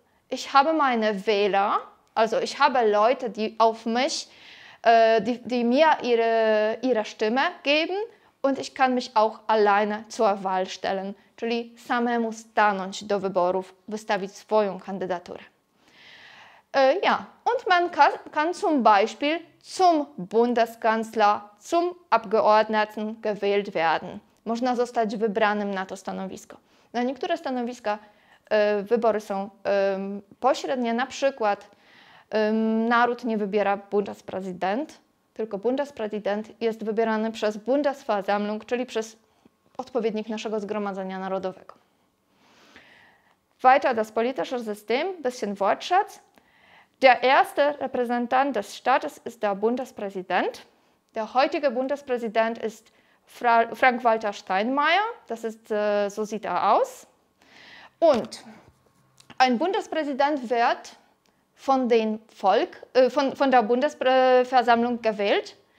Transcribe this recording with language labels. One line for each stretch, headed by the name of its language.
German: Ich habe meine Wähler, also ich habe Leute, die auf mich, die mir ihre Stimme geben und ich kann mich auch alleine zur Wahl stellen,
Polish: czyli samemu stanąć do wyborów, wystawić swoją kandydaturę.
German: Ja, und man kann zum Beispiel zum Bundeskanzler, zum Abgeordneten gewählt werden.
Polish: Można zostać wybranym na to stanowisko. Na niektóre stanowiska wybory są pośrednie, na przykład naród nie wybiera Bundespräsident, tylko Bundespräsident jest wybierany przez Bundesversammlung, czyli przez odpowiednik naszego Zgromadzenia Narodowego.
German: Weiter das politische System, bisschen Wortschatz. Der erste Repräsentant des Staates ist der Bundespräsident. Der heutige Bundespräsident ist Frank-Walter Steinmeier. So sieht er aus. Und ein Bundespräsident wird von der Bundesversammlung gewählt.